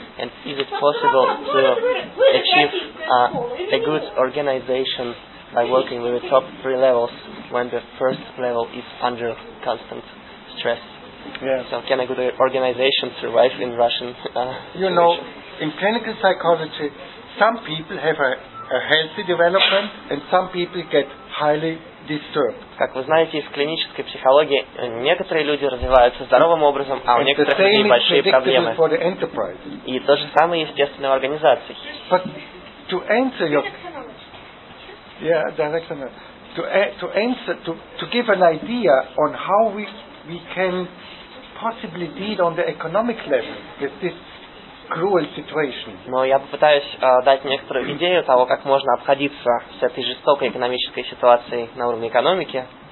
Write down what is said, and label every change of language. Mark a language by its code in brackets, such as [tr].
[en] And is it possible to achieve a good organization by working with the top three levels when the first level is under constant stress? Yeah. So can a good organization survive in Russian You know, in clinical psychology, some people have a healthy development and some people get highly disturbed. [ru] Как вы знаете, из клинической психологии некоторые люди развиваются здоровым образом, а у некоторых людей большие проблемы. [en] For the enterprise. [ru] И то же самое естественно в организации. [en] But to answer your to give an idea on how we can possibly deal on the economic level with this cruel situation. [ru] Но я попытаюсь дать некоторую идею того, как можно обходиться с этой жестокой экономической ситуацией на уровне экономики.